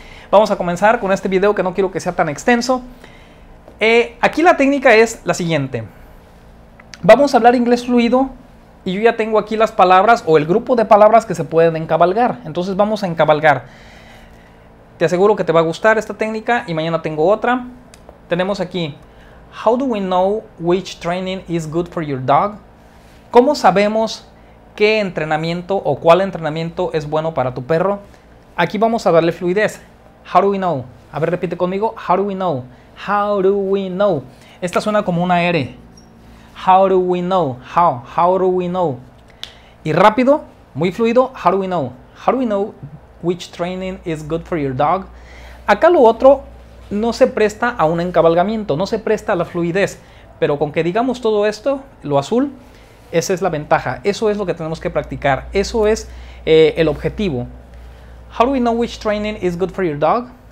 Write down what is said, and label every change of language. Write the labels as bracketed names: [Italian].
[Spanish] Vamos a comenzar con este video que no quiero que sea tan extenso. Aquí la técnica es la siguiente. Vamos a hablar inglés fluido. Y yo ya tengo aquí las palabras o el grupo de palabras que se pueden encabalgar. Entonces vamos a encabalgar. Te aseguro que te va a gustar esta técnica y mañana tengo otra. Tenemos aquí, [English] how do we know which training is good for your dog? [Spanish] ¿Cómo sabemos qué entrenamiento o cuál entrenamiento es bueno para tu perro? Aquí vamos a darle fluidez. [English] How do we know? [Spanish] A ver, repite conmigo. [English] How do we know? How do we know? [Spanish] Esta suena como una R. [English] How do we know? How do we know? [Spanish] Y rápido, muy fluido, [English] how do we know? How do we know which training is good for your dog? [Spanish] Acá lo otro no se presta a un encabalgamiento, no se presta a la fluidez. Pero con que digamos todo esto, lo azul, esa es la ventaja. Eso es lo que tenemos que practicar. Eso es el objetivo. [English] How do we know which training is good for your dog?